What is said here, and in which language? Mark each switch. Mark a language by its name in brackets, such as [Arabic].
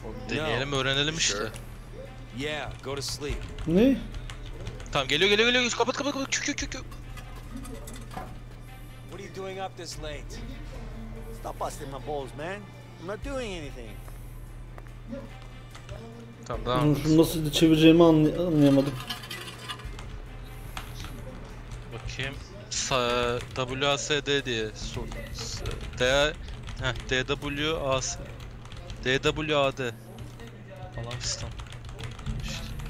[Turkish] Deneyelim öğrenelim işte. [English] Yeah, go to sleep. [Turkish] Ne? Tamam geliyor geliyor geliyor. Kapat kapat kapat. Kü kü kü kü. [English] What are you doing up this late? Stop busting my balls, man. I'm not doing anything. [Turkish] Tamam devam. Tamam. Şunu nasıl çevireceğimi anlayamadım. Bakayım. WASD diye sor. DWAD falan fistan. İşte.